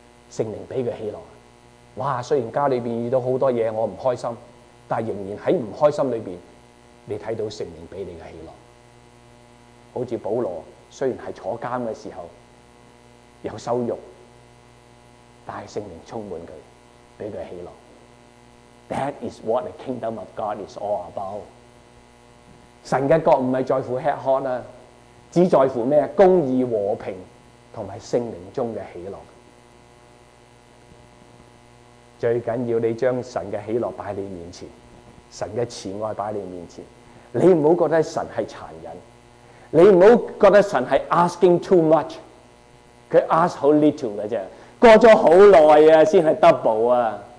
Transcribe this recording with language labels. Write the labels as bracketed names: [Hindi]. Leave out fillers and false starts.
[Chinese] 圣灵给他喜乐，哇，虽然家里面遇到很多事我不开心，但仍然在不开心里面你看到圣灵给你的喜乐。好像保罗虽然是坐监的时候有羞辱，但是圣灵充满他，给他喜乐。 [English] That is what the kingdom of God is all about. [Chinese] 神的国不是在乎吃喝，只在乎什么？公义、和平和圣灵中的喜乐。最重要你将神的喜乐摆在你面前，神的慈爱摆在你面前。你不要觉得神是残忍，你不要觉得神是 [English] asking too much， [Chinese] 他 ask 很 little 而已，过了很久才是 double 啊。